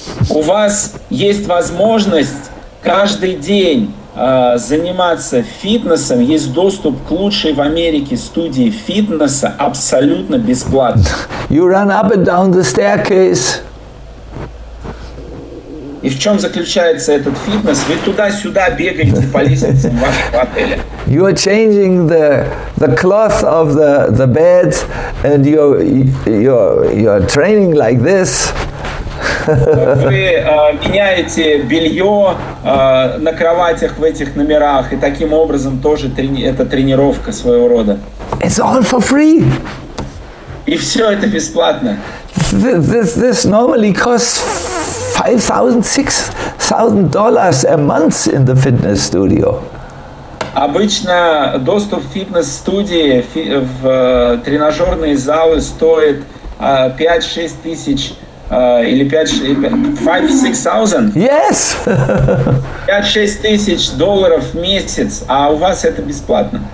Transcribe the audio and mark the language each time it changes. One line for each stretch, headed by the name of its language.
Russian: У вас есть возможность каждый день заниматься фитнесом, есть доступ к лучшей в Америке студии фитнеса абсолютно бесплатно.
English: You run up and down the staircase.
Russian: И в чем заключается этот фитнес? Вы туда-сюда бегаете по лестницам вашего отеля.
English: You are changing the cloth of the bed and you're training like this.
Russian: Вы меняете белье на кроватях в этих номерах, и таким образом тоже это тренировка своего рода.
English: It's all for free.
Russian: И все это бесплатно.
English: This normally costs $5,000-$6,000 a month in the fitness studio.
Russian: Обычно доступ в фитнес-студии, в тренажерные залы стоит 5-6 тысяч или 5-6 тысяч?
English: Yes!
Russian: 5-6 тысяч долларов в месяц, а у вас это бесплатно.